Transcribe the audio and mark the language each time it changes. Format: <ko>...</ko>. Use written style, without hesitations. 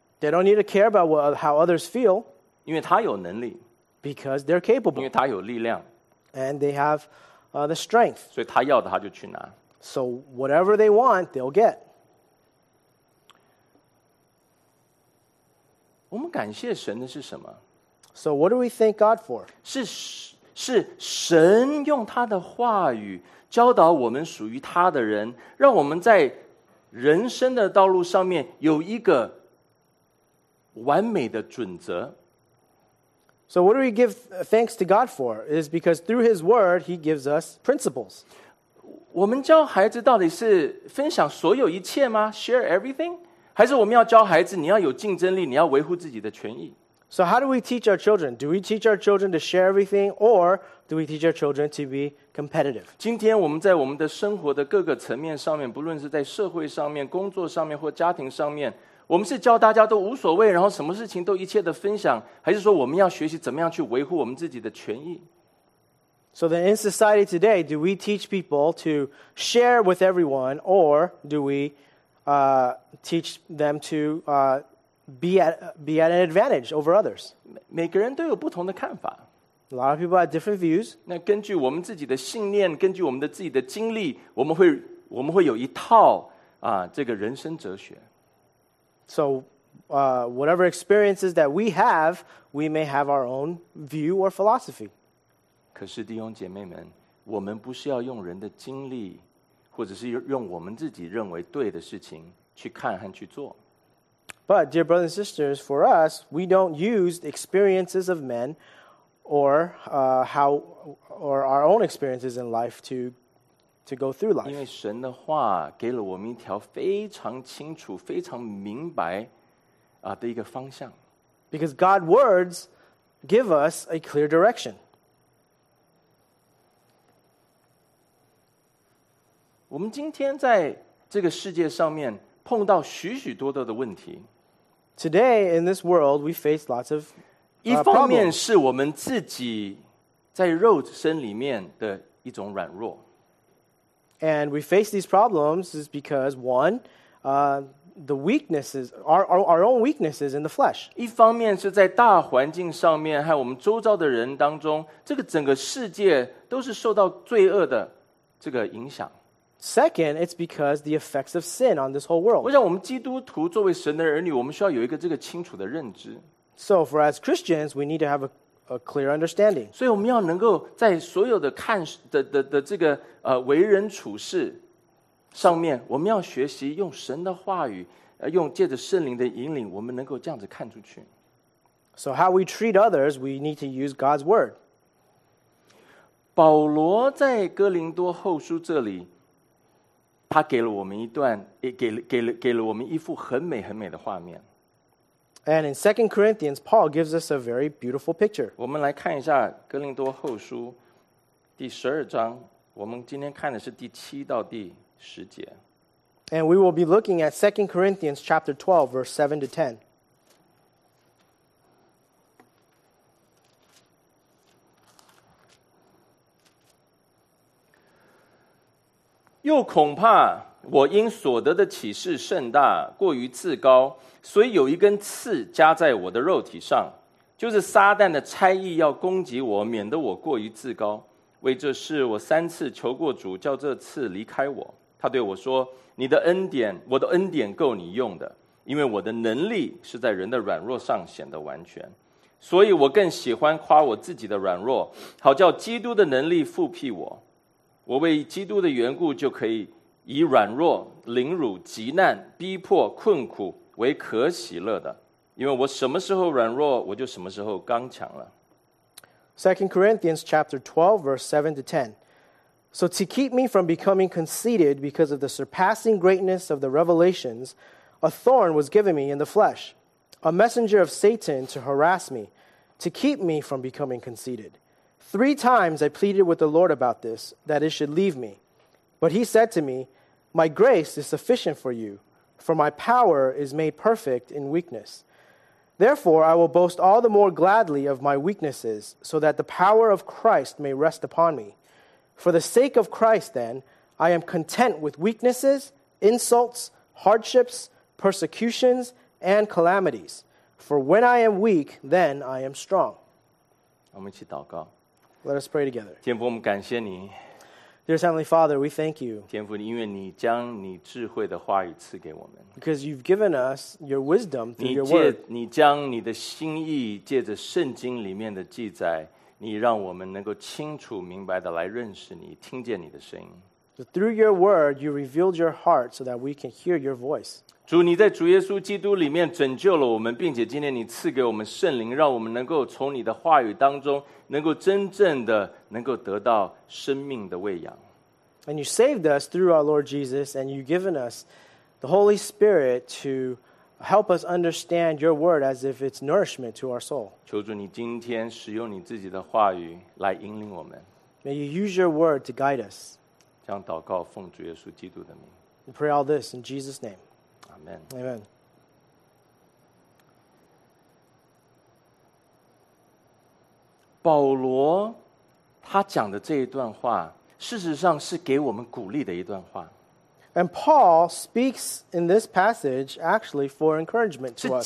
<en>They don't need to care about how others feel.</en> <zh>因为他有能力。</zh> <en>Because they're capable.</en> <zh>因为他有力量。</zh> <en>And they have the strength.</en> <zh>所以他要的他就去拿。</zh> <en>So whatever they want, they'll get.</en> <zh>我们感谢神的是什么？</zh> <en>So what do we thank God for?</en> <zh>是神用他的话语教导我们属于他的人，让我们在人生的道路上面有一个完美的准则。</zh> <en>So what do we give thanks to God for? It is because through his word, he gives us principles.</en> <zh>我们教孩子到底是分享所有一切吗？</zh> <en>Share everything?</en> <zh>还是我们要教孩子你要有竞争力，你要维护自己的权益？</zh> <en>So how do we teach our children? Do we teach our children to share everything, or do we teach our children to be competitive?</en> <zh>今天我们在我们的生活的各个层面上面，不论是在社会上面、工作上面或家庭上面，我们是教大家都无所谓，然后什么事情都一切的分享，还是说我们要学习怎么样去维护我们自己的权益？</zh> <en>So then in society today, do we teach people to share with everyone, or do we teach them to be at an advantage over others.</en> <zh>每个人都有不同的看法。</zh> <en>A lot of people have different views.</en> <zh>那根据我们自己的信念，根据我们的自己的经历，我们会有一套这个人生哲学。</zh> <en>So whatever experiences that we have, we may have our own view or philosophy.</en> <zh>可是弟兄姐妹们，我们不是要用人的经历，或者是用我们自己认为对的事情去看和去做。</zh> <en>But dear brothers and sisters, for us, we don't use the experiences of men or our own experiences in life to go through life.</en> <zh>因为神的话给了我们一条非常清楚、非常明白的一个方向。</zh> <en>Because God's words give us a clear direction.</en> <zh>我们今天在这个世界上面碰到许许多多的问题。</zh> <en>Today, in this world, we face lots of problems.</en> <zh>一方面是我们自己在肉身里面的一种软弱。</zh> <en>And we face these problems is because, one, the weaknesses, our own weaknesses in the flesh.</en> <zh>一方面是在大环境上面和我们周遭的人当中，这个整个世界都是受到罪恶的这个影响。</zh> <en>Second, it's because the effects of sin on this whole world.</en> <zh>我想我们基督徒作为神的儿女，我们需要有一个这个清楚的认知。</zh> <en>So for as Christians, we need to have a clear understanding.</en> <zh>所以我们要能够在所有的看的这个为人处事上面，我们要学习用神的话语，用借着圣灵的引领，我们能够这样子看出去。</zh> <en>So how we treat others, we need to use God's word.</en> <zh>保罗在哥林多后书这里。他给了我们一段，给了我们一幅很美很美的画面。</zh> <en>And in 2 Corinthians, Paul gives us a very beautiful picture.</en> <zh>我们来看一下《哥林多后书》第十二章，我们今天看的是第七到第十节。</zh> <en>And we will be looking at 2 Corinthians chapter 12, verse 7 to 10.</en> <zh>又恐怕我因所得的启示甚大，过于自高，所以有一根刺加在我的肉体上，就是撒旦的差役要攻击我，免得我过于自高。为这事，我三次求过主，叫这刺离开我。他对我说：“你的恩典，我的恩典够你用的，因为我的能力是在人的软弱上显得完全。所以我更喜欢夸我自己的软弱，好叫基督的能力复辟我。” 我为基督的缘故，就可以以软弱、凌辱、极难、逼迫、困苦为可喜乐的，因为我什么时候软弱，我就什么时候刚强了。</zh> <en>Second Corinthians chapter 12, verse 7 to 10. So to keep me from becoming conceited because of the surpassing greatness of the revelations, a thorn was given me in the flesh, a messenger of Satan to harass me, to keep me from becoming conceited. Three times I pleaded with the Lord about this, that it should leave me. But he said to me, My grace is sufficient for you, for my power is made perfect in weakness. Therefore, I will boast all the more gladly of my weaknesses, so that the power of Christ may rest upon me. For the sake of Christ, then, I am content with weaknesses, insults, hardships, persecutions, and calamities. For when I am weak, then I am strong.</en> <zh>我们一起祷告。</zh> <en>Let us pray together.</en> <zh>天父，我们感谢你。</zh> <en>Dear Heavenly Father, we thank you.</en> <zh>天父，因为你将你智慧的话语赐给我们。</zh> <en>Because you've given us your wisdom through your word.</en> <zh>你将你的心意借着圣经里面的记载，你让我们能够清楚明白的来认识你，听见你的声音。</zh> <en>Through your word, you revealed your heart so that we can hear your voice.</en> <zh>主，你在主耶稣基督里面拯救了我们，并且今天你赐给我们圣灵，让我们能够从你的话语当中能够真正的能够得到生命的喂养。</zh> <en>And you saved us through our Lord Jesus, and you've given us the Holy Spirit to help us understand your word as if it's nourishment to our soul.</en> <zh>求主你今天使用你自己的话语来引领我们。</zh> <en>May you use your word to guide us.</en> <zh>这样祷告奉主耶稣基督的名。</zh> <en>We pray all this in Jesus' name. Amen. Amen.</en> <zh>保罗他讲的这一段话，事实上是给我们鼓励的一段话。</zh> <en>And Paul speaks in this passage actually for encouragement to us.</en>